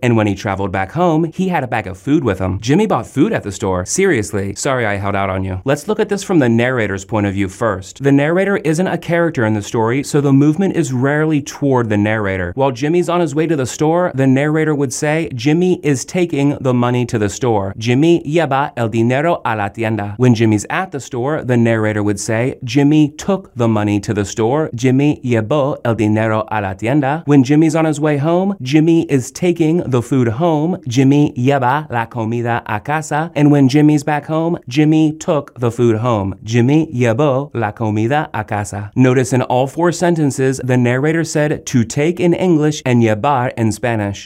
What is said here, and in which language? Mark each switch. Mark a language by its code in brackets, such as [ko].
[en] And when he traveled back home, he had a bag of food with him. Jimmy bought food at the store. Seriously, sorry I held out on you. Let's look at this from the narrator's point of view first. The narrator isn't a character in the story, so the movement is rarely toward the narrator. While Jimmy's on his way to the store, the narrator would say, Jimmy is taking the money to the store. [es] Jimmy lleva el dinero a la tienda. [en] When Jimmy's at the store, the narrator would say, Jimmy took the money to the store. [es] Jimmy llevó el dinero a la tienda. [en] When Jimmy's on his way home, Jimmy is taking the food home. [es] Jimmy lleva la comida a casa. [en] And when Jimmy's back home, Jimmy took the food home. [es] Jimmy llevó la comida a casa. [en] Notice in all four sentences, the narrator said to take in English and llevar in Spanish.